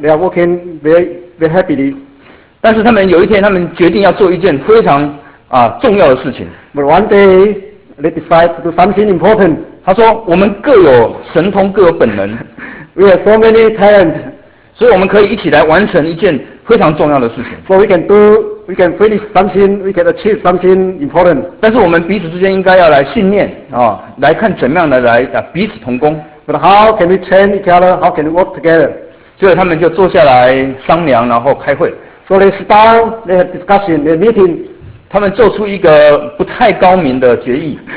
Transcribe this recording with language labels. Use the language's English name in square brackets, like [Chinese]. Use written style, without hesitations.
[English] They are working very, very happily. [Chinese] 但是他们有一天，他们决定要做一件非常重要的事情。 [English] But one day, they decide to do something important. [Chinese] 他说，我们各有神通，各有本能。 [English] We have so many talents. [Chinese] 所以我们可以一起来完成一件非常重要的事情。 [English] So we can finish something, we can achieve something important. [Chinese] 但是我们彼此之间应该要来训练啊，来看怎么样的来彼此同工。 [English] But how can we train each other? How can we work together? [Chinese] 所以他们就坐下来商量，然后开会。 [English] So they sit down, they have discussion, they meeting. [Chinese] 他们做出一个不太高明的决议。